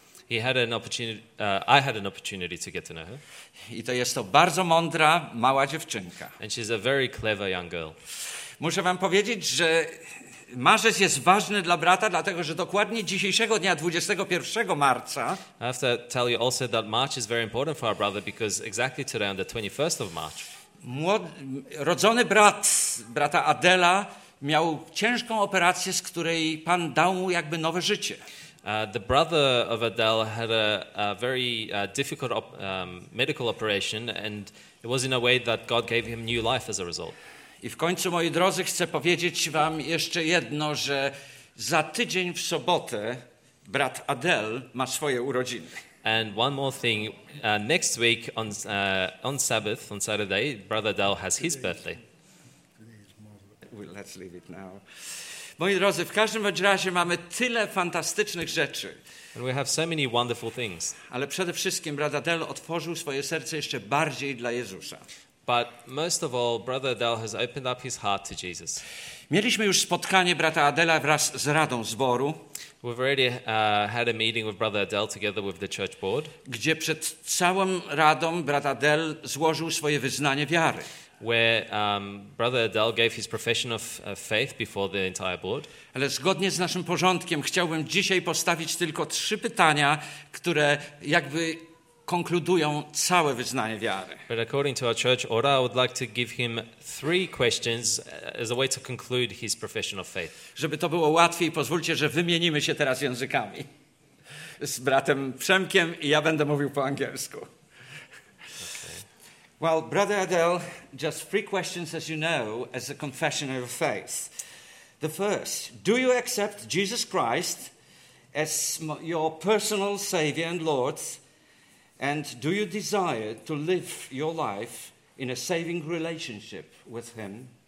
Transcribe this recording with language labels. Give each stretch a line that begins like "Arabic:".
English: I had an opportunity to get to know her.
Polish: I to jest to bardzo mądra, mała dziewczynka.
English: And she's a very clever young girl.
Polish: Muszę wam powiedzieć, że marzec jest ważny dla brata, dlatego że dokładnie dzisiejszego dnia, 21 marca,
English: I have to tell you also that March is very important for our brother because exactly today, on the 21st of March,
Polish: rodzony brat, brata Adela, miał ciężką operację, z której Pan dał mu jakby nowe życie.
English: The brother of Adele had a very difficult medical operation and it was in a way that God gave him new life as a result.
Polish: I w końcu, moi drodzy, chcę powiedzieć wam jeszcze jedno, że za tydzień w sobotę brat Adele ma swoje urodziny.
English: And one more thing, next week on Sabbath, on Saturday, brother Adele has his birthday. Well, let's leave it now.
Polish: Moi drodzy, w każdym razie mamy tyle fantastycznych rzeczy.
English: And we have so many wonderful things.
Polish: Ale przede wszystkim brat Adel otworzył swoje serce jeszcze bardziej dla Jezusa.
English: But most of all, brother Adel has opened up his heart to Jesus.
Polish: Mieliśmy już spotkanie brata Adela wraz z radą zboru.
English: We've already had a meeting with brother Adel together with the church board.
Polish: Gdzie przed całą radą brat Adel złożył swoje wyznanie wiary.
English: Where brother Adel gave his profession of faith before the entire board.
Polish: Ale zgodnie z naszym porządkiem chciałbym dzisiaj postawić tylko trzy pytania, które jakby konkludują całe wyznanie wiary.
English: But according to our church order, I would like to give him three questions as a way to conclude his profession of faith.
Polish: Żeby to było łatwiej, pozwólcie, że wymienimy się teraz językami z bratem Przemkiem i ja będę mówił po angielsku.
English: Okay. Well, Brother Adel, just three questions, as you know, as a confession of faith. The first, do you accept Jesus Christ as your personal Savior and Lord? And do you desire to live your life in a saving relationship with Him?